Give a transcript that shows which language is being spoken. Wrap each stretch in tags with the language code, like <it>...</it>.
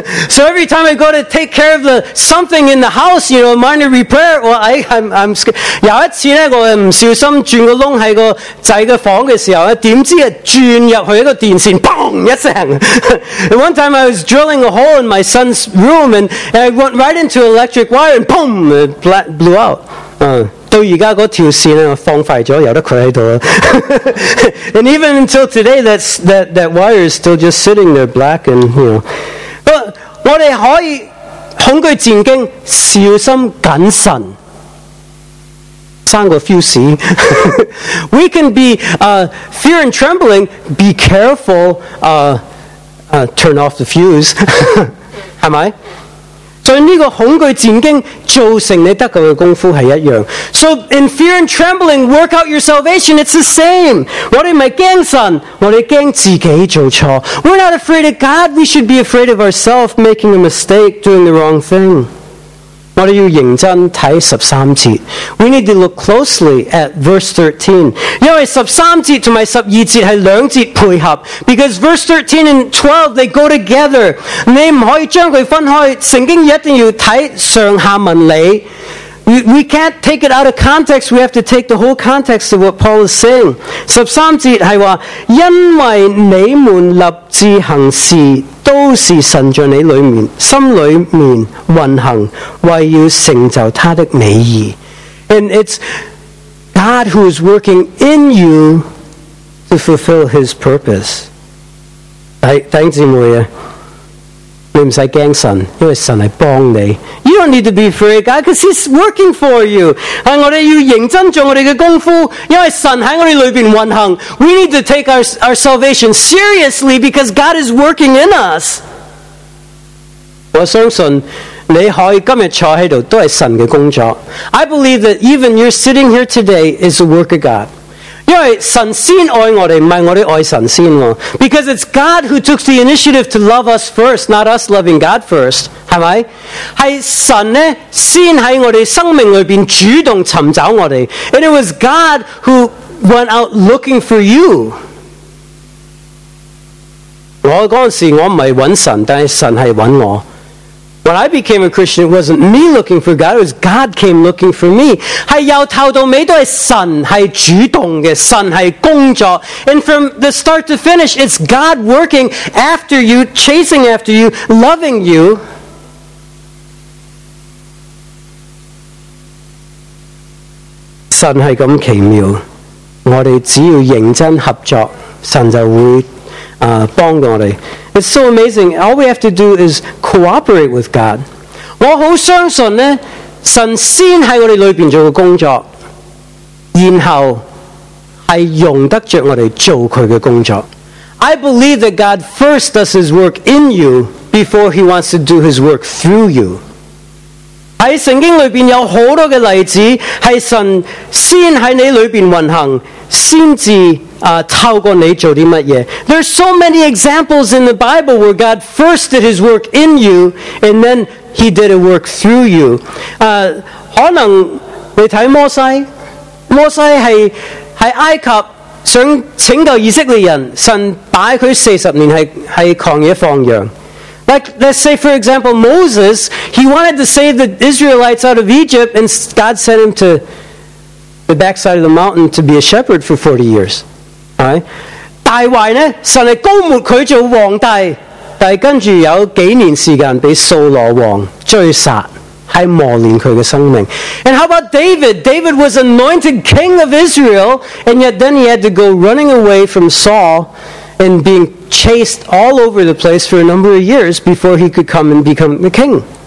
<en>So every time I go to take care of something in the house, you know, minor repair, well, I'm scared.</en> <zh>有一次呢，我不小心转个窿在个仔的房的时候，点知转入去一个电线，砰一声。</zh> <en>And one time I was drilling a hole in my son's room and I went right into an electric wire and boom, it blew out.</en> <zh>到现在那条线呢，放坏了，由得他在那里。</zh> <en>And even until today, that wire is still just sitting there black and, you know.</en> <zh>我们可以恐惧战惊，小心谨慎，三个 few 事。</zh> <en>We can be fear and trembling, be careful, turn off the fuse.</en> <zh>是吗？所以这个恐惧战惊造成你得救的功夫是一样。</zh> <en>So in fear and trembling, work out your salvation, it's the same.</en> <zh>我们不是怕神，我们怕自己做错。</zh> <en>We're not afraid of God, we should be afraid of ourselves making a mistake, doing the wrong thing.</en> <zh>我们要认真看十三节。</zh> <en>We need to look closely at verse 13.</en> <zh>因为十三节和十二节是两节配合。</zh> <en>Because verse 13 and 12, they go together.</en> <zh>你不可以将它分开，圣经一定要看上下文理。</zh> <en>We can't take it out of context, we have to take the whole context of what Paul is saying.</en> <zh>十三节是说，因为你们立志行事都是神在你里面心里面运行，为要成就他的美意。</zh> <en>And it's God who is working in you to fulfill his purpose.</en> <zh>弟兄姊妹，你不用怕神，因为神是帮你。</zh> <en>You don't need to be afraid of God because he's working for you.</en> <zh>我们要认真做我们的功夫，因为神在我们里面运行。</zh> <en>We need to take our salvation seriously because God is working in us.</en> <zh>我相信你可以今天坐在这里都是神的工作。</zh> <en>I believe that even you're sitting here today is the work of God.</en> <zh>因为神先爱我们，不是我们爱神先。</zh> <en>Because it's God who took the initiative to love us first, not us loving God first.</en> <zh>是吧？是神呢，先在我们生命里面主动寻找我们。</zh> <en>And it was God who went out looking for you.</en> <zh>我那时候我不是找神，但是神是找我。</zh> <en>When I became a Christian, it wasn't me looking for God, it was God came looking for me.</en> <zh>是由头到尾都是神是主动的，神是工作。</zh> <en>And from the start to finish, it's God working after you, chasing after you, loving you.</en> <zh>神是这么奇妙，我们只要认真合作，神就会帮我们。</zh> <en>It's so amazing. All we have to do is cooperate with God.</en> <zh>我很相信呢，神先在我们里面做的工作，然后是用得着我们做祂的工作。</zh> <en>I believe that God first does his work in you before he wants to do his work through you.</en> <zh>在圣经里面有很多的例子，是神先在你里面运行，先至透过你做啲乜嘢。</zh> <en>There's so many examples in the Bible where God first did his work in you and then he did a work through you.</en> <zh>可能你睇摩西，摩西系埃及想拯救以色列人，神摆佢40年系旷野放羊。</zh> <en>Like, let's say for example, Moses, he wanted to save the Israelites out of Egypt and God sent him to the backside of the mountain to be a shepherd for 40 years. Right?</en> <zh>大卫呢，神是高抹他做皇帝，但是跟着有几年时间被扫罗王追杀，是磨练他的生命。</zh> <en>And how about David? David was anointed king of Israel, and yet then he had to go running away from Saul and being chased all over the place for a number of years before he could come and become the king.</en>